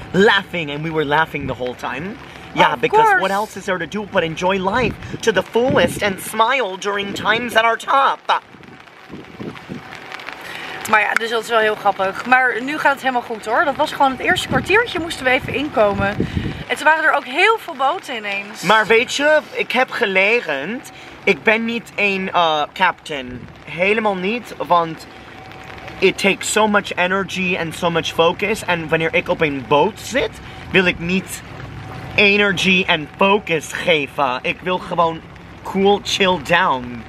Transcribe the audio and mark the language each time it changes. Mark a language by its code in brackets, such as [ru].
[en] Laughing and we were laughing the whole time. Yeah, of because course. What else is there to do but enjoy life to the fullest and smile during times at our top. [nl] Maar ja, dus dat is wel heel grappig. Maar nu gaat het helemaal goed hoor. Dat was gewoon het eerste kwartiertje moesten we even inkomen. En toen waren er ook heel veel boten ineens. Maar weet je, ik heb geleerd. Ik ben niet een captain. Helemaal niet, want [en] it takes so much energy and so much focus. [nl] En wanneer ik op een boot zit, wil ik niet energy en focus geven. Ik wil gewoon cool, chill down.